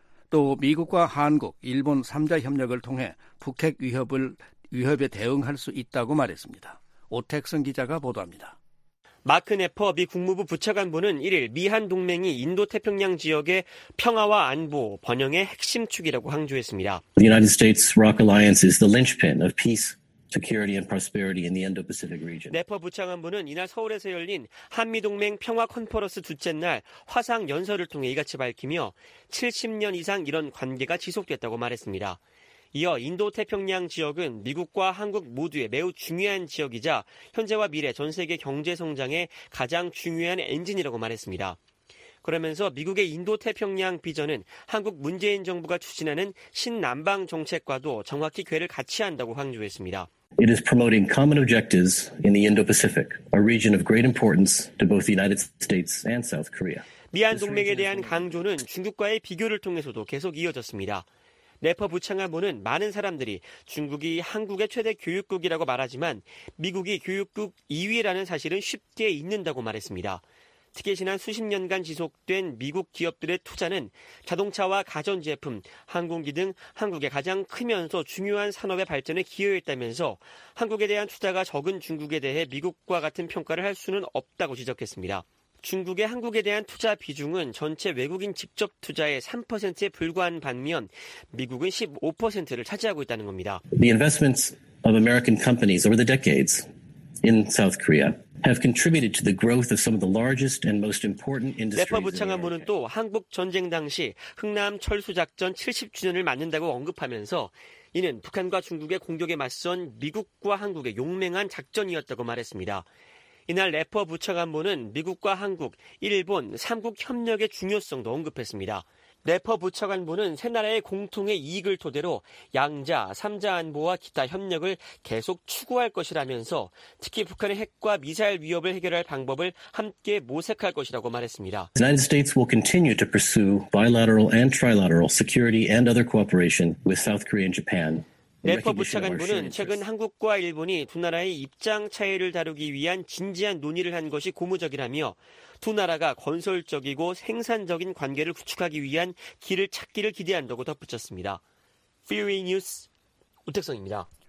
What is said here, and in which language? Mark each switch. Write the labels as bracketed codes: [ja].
[ko] 또 미국과 한국, 일본 3자 협력을 통해 북핵 위협에 대응할 수 있다고 말했습니다. 오택성 기자가 보도합니다. 마크 네퍼 미 국무부 부차관보는 1일 미한 동맹이 인도태평양 지역의 평화와 안보, 번영의 핵심 축이라고 강조했습니다. [en] The United States ROC Alliance is the linchpin of peace, security and prosperity in the Indo-Pacific region. [ko] 네퍼 부차관보는 이날 서울에서 열린 한미동맹 평화 컨퍼런스 둘째 날 화상 연설을 통해 이같이 밝히며 70년 이상 이런 관계가 지속됐다고 말했습니다. 이어 인도태평양 지역은 미국과 한국 모두의 매우 중요한 지역이자 현재와 미래 전 세계 경제 성장의 가장 중요한 엔진이라고 말했습니다. 그러면서 미국의 인도태평양 비전은 한국 문재인 정부가 추진하는 신남방 정책과도 정확히 궤를 같이 한다고 강조했습니다. [en] It is promoting common objectives in the Indo-Pacific, a region of great importance to both the United States and South Korea. [ko] 미한 동맹에 대한 강조는 중국과의 비교를 통해서도 계속 이어졌습니다. 네퍼 부창한보는 많은 사람들이 중국이 한국의 최대 교육국이라고 말하지만 미국이 교육국 2위라는 사실은 쉽게 잊는다고 말했습니다. 특히 지난 수십 년간 지속된 미국 기업들의 투자는 자동차와 가전제품, 항공기 등 한국의 가장 크면서 중요한 산업의 발전에 기여했다면서 한국에 대한 투자가 적은 중국에 대해 미국과 같은 평가를 할 수는 없다고 지적했습니다. 중국의 한국에 대한 투자 비중은 전체 외국인 직접 투자의 3%에 불과한 반면 미국은 15%를 차지하고 있다는 겁니다. [en] The investments of American companies over the decades in South Korea have contributed to the growth of some of the largest and most important industries. [ko] 네퍼 부창한보는 또 한국 전쟁 당시 흑남 철수 작전 70주년을 맞는다고 언급하면서 이는 북한과 중국의 공격에 맞선 미국과 한국의 용맹한 작전이었다고 말했습니다. 이날 래퍼 부차관보는 미국과 한국, 일본, 3국 협력의 중요성도 언급했습니다. 래퍼 부차관보는 세 나라의 공통의 이익을 토대로 양자, 3자 안보와 기타 협력을 계속 추구할 것이라면서 특히 북한의 핵과 미사일 위협을 해결할 방법을 함께 모색할 것이라고 말했습니다. [en] The United States will continue to pursue bilateral and trilateral security and other cooperation with South Korea and Japan. [ko] 네퍼 부차관보는 최근 한국과 일본이 두 나라의 입장 차이를 다루기 위한 진지한 논의를 한 것이 고무적이라며 두 나라가 건설적이고 생산적인 관계를 구축하기 위한 길을 찾기를 기대한다고 덧붙였습니다. VOA 뉴스 우택성입니다.